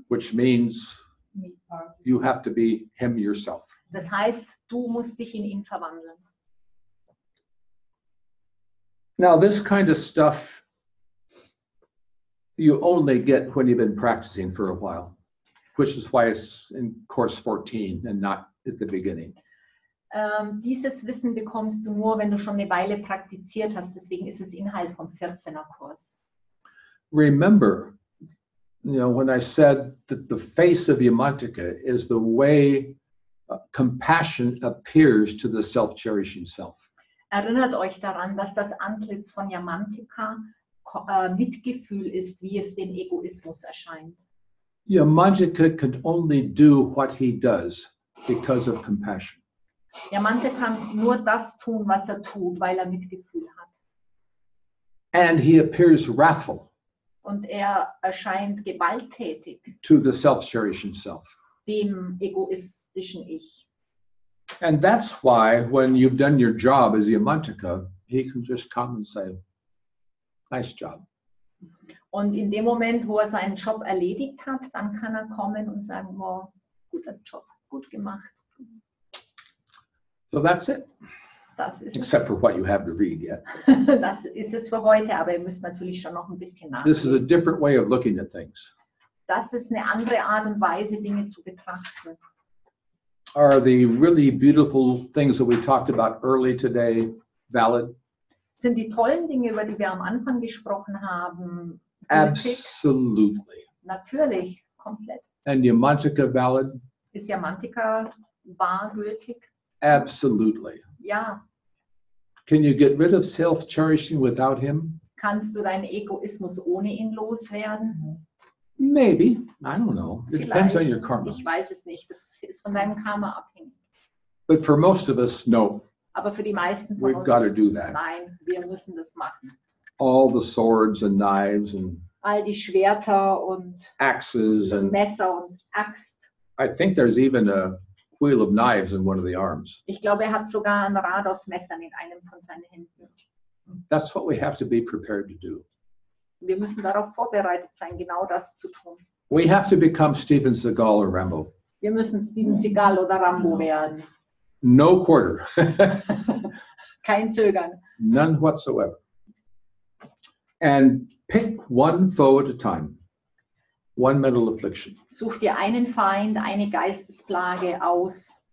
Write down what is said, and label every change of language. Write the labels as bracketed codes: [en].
[en] Which means you have to be him yourself. [de] Das heißt, du musst dich in ihn verwandeln. [en] Now this kind of stuff you only get when you've been practicing for a while, which is why it's in course 14 and not at the beginning. [de] Dieses Wissen bekommst du nur, wenn du schon eine Weile praktiziert hast. Deswegen ist es Inhalt vom 14er Kurs. [en] Remember, you know, when I said that the face of Yamantaka is the way compassion appears to the self-cherishing self. [de] Erinnert euch daran, dass das Antlitz von Yamantaka Mitgefühl ist, wie es dem Egoismus erscheint. [en] Yamantaka can only do what he does because of compassion. [de] Yamante kann nur das tun, was er tut, weil er Mitgefühl hat. [en] And he appears wrathful. [de] Und er erscheint gewalttätig. [en] To the self-cherishing self. [de] Dem egoistischen Ich. [en] And that's why when you've done your job as Yamantaka, he can just come and say, nice job. [de] Und in dem Moment, wo er seinen Job erledigt hat, dann kann er kommen und sagen, wow, guter Job, gut gemacht. [en] So that's it. [de] Das ist [en] except for what you have to read, yeah. [de] Das ist es für heute, aber ihr müsst natürlich schon noch ein bisschen nachlesen. [en] This is a different way of looking at things. [de] Das ist eine andere Art und Weise, Dinge zu betrachten. [en] Are the really beautiful things that we talked about early today valid? [de] Sind die tollen Dinge, über die wir am Anfang gesprochen haben, gültig? [en] Absolutely. [de] Natürlich, komplett. [en] And Yamantaka valid? [de] Ist Yamantaka wahr, gültig? [en] Absolutely. [de] Ja. [en] Can you get rid of self-cherishing without him? [de] Kannst du deinen Egoismus ohne ihn loswerden? [en] Maybe. I don't know. It [de] Vielleicht. [en] Depends on your karma. [de] Ich weiß es nicht. Das ist von deinem Karma abhängig. [en] But for most of us, no. [de] Aber für die meisten von [en] We've [de] uns, [en] got to do that. [de] Nein, wir müssen das machen. [en] All the swords and knives and [de] all die Schwerter und [en] axes [de] und Messer und Axt. [en] I think there's even a wheel of knives in one of the arms. [de] Ich glaube, er hat sogar ein Rad aus Messern in einem von seinen Händen. [en] That's what we have to be prepared to do. [de] Wir müssen darauf vorbereitet sein, genau das zu tun. [en] We have to become Steven Seagal or Rambo. [de] Wir müssen Steven Seagal oder Rambo werden. [en] No quarter. [de] Kein Zögern. [en] None whatsoever. And pick one foe at a time. One mental affliction. [de] Such dir einen Feind, eine Geistesplage aus.